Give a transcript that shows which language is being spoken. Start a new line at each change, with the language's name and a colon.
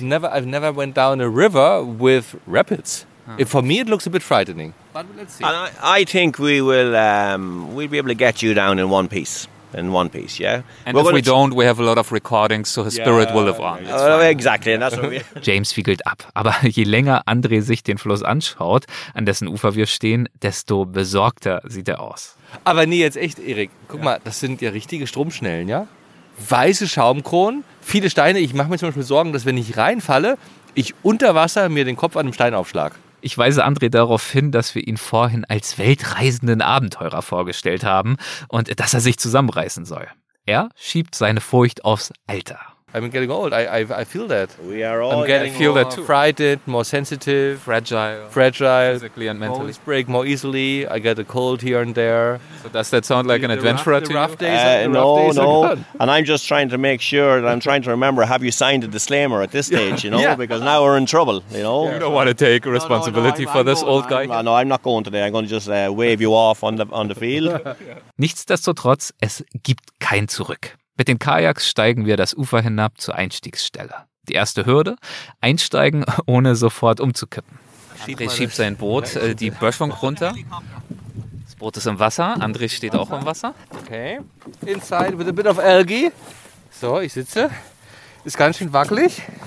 English: I've never went down a river with rapids. Huh. For me, it looks a bit frightening. But let's see. And I think we will we'll be able to get you down in one piece. And if we don't, we have a lot of recordings, so his spirit will live on. Exactly. And that's what
German: James wiegelt ab. Aber je länger André sich den Fluss anschaut, an dessen Ufer wir stehen, desto besorgter sieht er aus. Aber nee, jetzt echt, Erik. Guck mal, das sind ja richtige Stromschnellen, ja? Weiße Schaumkronen, viele Steine. Ich mache mir zum Beispiel Sorgen, dass wenn ich reinfalle, ich unter Wasser mir den Kopf an einem Stein aufschlag. Ich weise André darauf hin, dass wir ihn vorhin als weltreisenden Abenteurer vorgestellt haben und dass er sich zusammenreißen soll. Er schiebt seine Furcht aufs Alter.
English: I'm getting old. I feel that. We are all getting more frightened, more sensitive. Fragile. Physically and mentally. Bones break more easily. I get a cold here and there. So does that sound like an adventurer to you? And I'm just trying to make sure that I'm trying to remember, have you signed a disclaimer at this stage, you know? Yeah. Because now we're in trouble, you know? You don't want to take responsibility for this old guy. No, I'm not going today. I'm going to just wave you off on the field.
German: Nichtsdestotrotz, es gibt kein Zurück. Mit den Kajaks steigen wir das Ufer hinab zur Einstiegsstelle. Die erste Hürde, einsteigen, ohne sofort umzukippen. André schiebt sein Boot, die Böschung runter. Das Boot ist im Wasser, André steht auch im Wasser.
English: Okay, inside with a bit of algae. So,
German: ich sitze. Ist ganz schön wackelig.